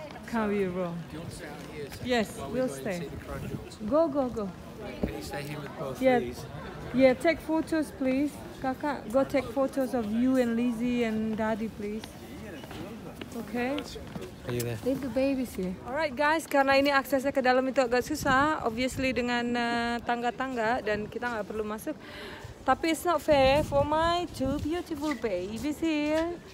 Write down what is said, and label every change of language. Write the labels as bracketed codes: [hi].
[en] Can't be wrong. Yes, we'll stay. Go. Can you stay here with both, please? Yeah, take photos, please. Kaka, go take photos of you and Lizzie and Daddy, please. Okay? Are you there? Leave the babies here. Alright, guys, [id] karena ini aksesnya ke dalam itu agak susah, [en] obviously [id] dengan tangga-tangga, dan kita nggak perlu masuk. Tapi [en] it's not fair for my two beautiful babies here.